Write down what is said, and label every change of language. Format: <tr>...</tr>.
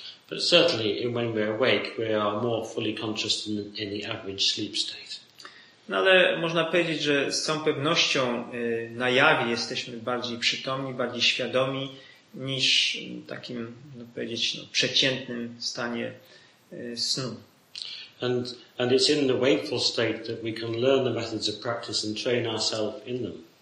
<en>But certainly when we're awake, we are more fully conscious than in the average sleep state.</en> <pl>No ale można powiedzieć, że z całą pewnością na jawie jesteśmy bardziej przytomni, bardziej świadomi niż takim, no powiedzieć, no, przeciętnym stanie snu.</pl> <en>And it's in the wakeful state that we can learn the methods of practice and train ourselves in them.</en>